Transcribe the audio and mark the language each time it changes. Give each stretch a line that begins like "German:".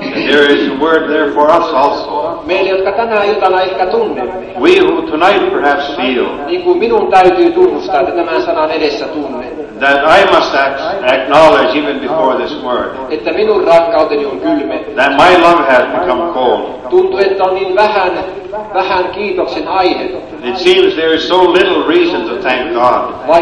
English: There is a word there for us also.
Finnish: Meille, jotka tänä iltana ehkä tunnemme.
English: We who tonight perhaps feel.
Finnish: Niin kuin minun täytyy tunnustaa, että tämän sanan edessä tunnen.
English: That I must acknowledge even before this word.
Finnish: Että minun rakkauteni on kylmä.
English: That my love has become cold.
Finnish: Tuntuu, että on niin vähän kiitoksen aihe.
English: It seems there is so little reason to thank God.